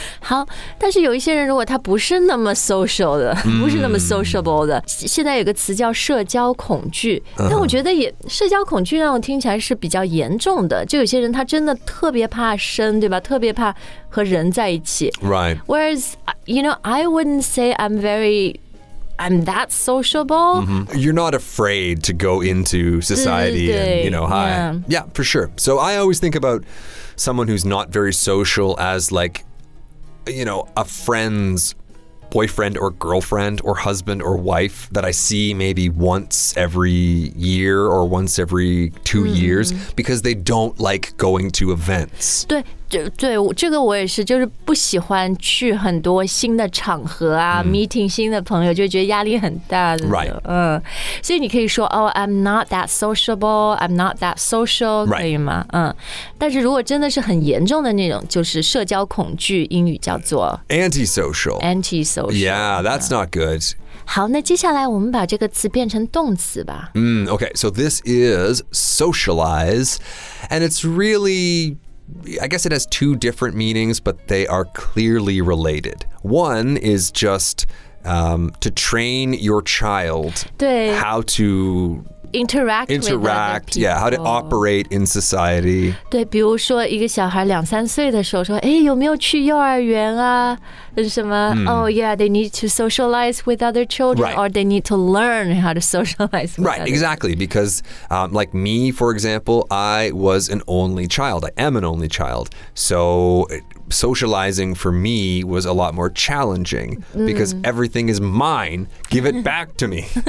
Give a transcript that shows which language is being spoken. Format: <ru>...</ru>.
<zh>好,但是有一些人如果他不是那么 social 的,不是那么 sociable 的,现在有个词叫社交恐惧,但我觉得也社交恐惧让我听起来是比较严重的,就有些人他真的特别怕生,对吧? 特别怕和人在一起。</zh> <en>Right. Whereas, you know, I wouldn't say I'm that sociable. Mm-hmm. You're not afraid to go into society and, you know, hi. Yeah. Yeah, for sure. So I always think about someone who's not very social as like, you know, a friend's boyfriend or girlfriend or husband or wife that I see maybe once every year or once every two years because they don't like going to events.</en> <zh>对对，这个我也是，就是不喜欢去很多新的场合啊、meeting 新的朋友，就觉得压力很大的。</zh> <en>Right.</en> <zh>所以你可以说</zh> <en>，Oh, I'm not that sociable. I'm not that social. Right.</en> <zh>可以吗？但是如果真的是很严重的那种，就是社交恐惧，英语叫做</zh> <en>antisocial. Antisocial. Yeah, that's not good.</en> <zh>好，那接下来我们把这个词变成动词吧。</zh> <en>Okay. So this is socialize, and it's really. I guess it has two different meanings, but they are clearly related. One is just to train your child how to interact yeah, how to operate in society.</en> <zh>对，比如说一个小孩两三岁的时候说，哎，有没有去幼儿园啊？什么？</zh> <en>Oh yeah, they need to socialize with other children, right. or they need to learn how to socialize. With right, others. Exactly. Because, like me, for example, I was an only child. I am an only child, so socializing for me was a lot more challenging because everything is mine. Give it back to me.</en>